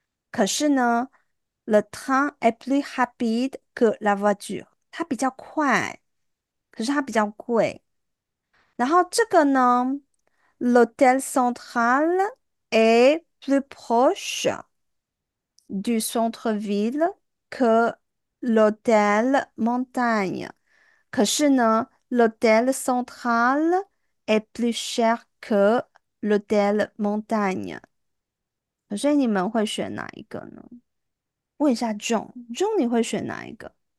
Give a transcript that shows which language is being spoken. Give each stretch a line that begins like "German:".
Chinese: 可是呢，
French: le train est plus rapide que la voiture.
Chinese: 它比较快，可是它比较贵。然后这个呢，
French: l'hôtel central est plus proche du centre-ville que l'hôtel montagne.
Chinese: 可是呢，
French: l'hôtel central est plus cher que l'hôtel montagne。
Chinese: 可是你们会选哪一个呢？问一下 John，你会选哪一个？